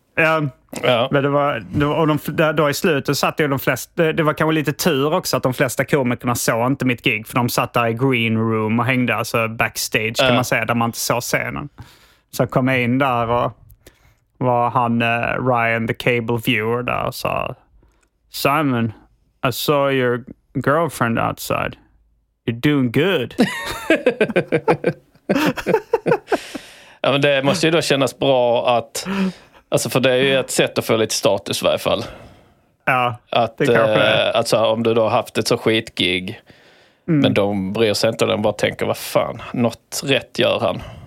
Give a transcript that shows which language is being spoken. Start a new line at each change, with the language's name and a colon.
Swedish: Ja. Men då i slutet satt ju de flesta... Det var kanske lite tur också att de flesta komikerna såg inte mitt gig. För de satt där i green room och hängde alltså backstage, kan man säga, där man inte såg scenen. Så kom jag in där och var han, Ryan, the cable viewer, där och sa...
English: Simon, I saw your girlfriend outside. You're doing good.
Swedish: Ja, men det måste ju då kännas bra att, alltså, för det är ju ett sätt att få lite status i varje fall. Ja, att alltså, om du då haft ett så skitgig, men de bryr sig inte, och de bara tänker, vad fan, något rätt gör han.